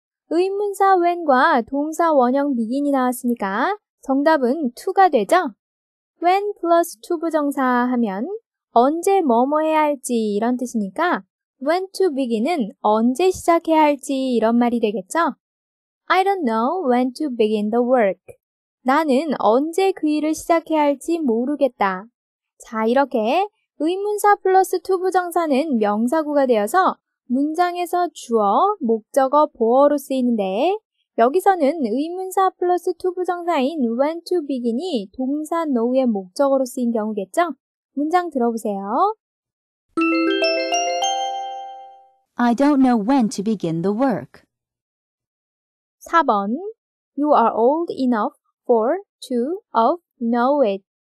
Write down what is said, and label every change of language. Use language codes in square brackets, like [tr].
[ko] 의문사 when과 동사 원형 begin이 나왔으니까 정답은 to가 되죠? when plus to 부정사 하면 언제 뭐뭐 해야 할지 이런 뜻이니까 when to begin은 언제 시작해야 할지 이런 말이 되겠죠? [en] I don't know when to begin the work. [ko] 나는 언제 그 일을 시작해야 할지 모르겠다. 자, 이렇게 의문사 플러스 to 부정사는 명사구가 되어서 문장에서 주어, 목적어, 보어로 쓰이는데 여기서는 의문사 플러스 to 부정사인 when to begin이 동사 노우의 목적어로 쓰인 경우겠죠? 문장 들어보세요. [en] I don't know when to begin the work. [ko] 4번. [en] You are old enough for to of know it.